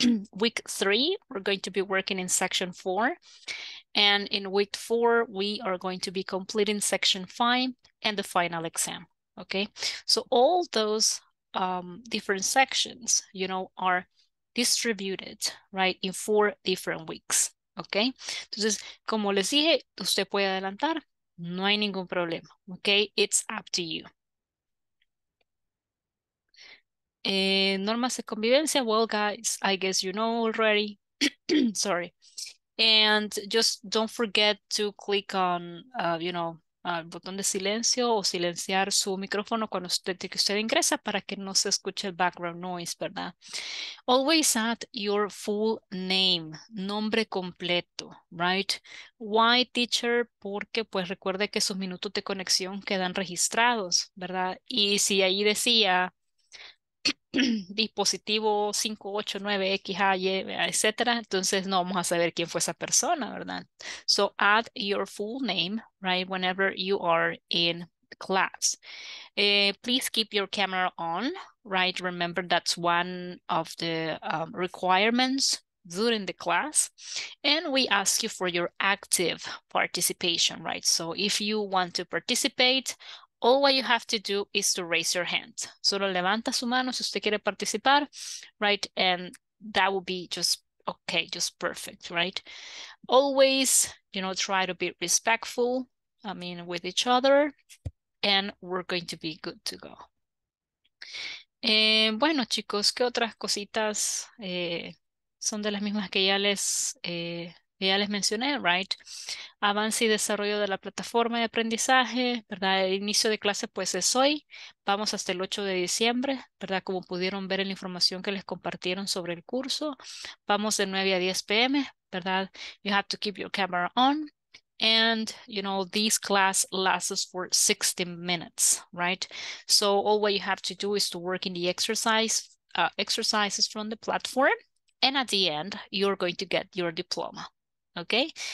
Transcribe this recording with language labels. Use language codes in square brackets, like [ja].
[en] Week 3, we're going to be working in Section 4. And in Week 4, we are going to be completing Section 5 and the final exam. Okay, so all those different sections, you know, are distributed, right, in 4 different weeks. [es] Okay, entonces, como les dije, usted puede adelantar, no hay ningún problema. [en] Okay, it's up to you. [es] Normas de convivencia, [en] well, guys, I guess you know already. Sorry. And just don't forget to click on, you know, [es] al botón de silencio o silenciar su micrófono cuando usted ingresa para que no se escuche el [en] background noise, [es] ¿verdad? [en] Always add your full name, [es] nombre completo, [en] right? Why, teacher? [es] Porque pues recuerde que sus minutos de conexión quedan registrados, ¿verdad? Y si ahí decía dispositivo 589XA, etcétera, entonces no vamos a saber quién fue esa persona, ¿verdad? [en] So add your full name, right, whenever you are in class. Please keep your camera on, right? Remember, that's one of the requirements during the class. And we ask you for your active participation, right? So if you want to participate, all what you have to do is to raise your hand. [es] Solo levanta su mano si usted quiere participar, right? [en] And that will be just okay, just perfect, right? Always, you know, try to be respectful, I mean, with each other, and we're going to be good to go. [es] Bueno, chicos, ¿qué otras cositas son de las mismas que ya les mencioné, right? Avance y desarrollo de la plataforma de aprendizaje, ¿verdad? El inicio de clase pues es hoy, vamos hasta el 8 de diciembre, ¿verdad? Como pudieron ver en la información que les compartieron sobre el curso, vamos de 9 a 10 p.m., ¿verdad? [en] You have to keep your camera on, and, you know, this class lasts for 60 minutes, right? So all what you have to do is to work in the exercises from the platform, and at the end, you're going to get your diploma, okay?